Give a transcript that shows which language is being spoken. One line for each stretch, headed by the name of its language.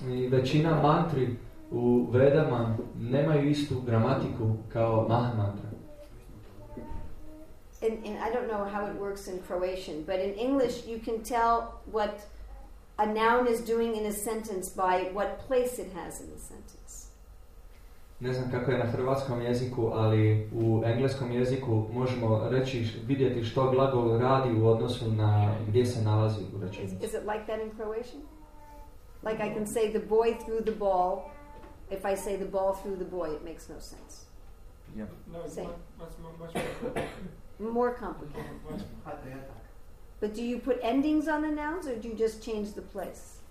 Croatian: Većina mantri u Vedama nemaju istu gramatiku kao Maha mantra.
English: And I don't know how it works in Croatian, but in English you can tell what a noun is doing in a sentence by what place it has in the sentence.
Croatian: Ne znam kako je na hrvatskom jeziku, ali u engleskom jeziku možemo reći, vidjeti što glagol radi u odnosu na gdje se nalazi u rečenici.
English: Is it like that in Croatian? Like I can say the boy threw the ball. If I say the ball threw the boy, it makes no sense. Yeah. No, it's much more complicated. More complicated. But do you put endings on the nouns or do you just change the place?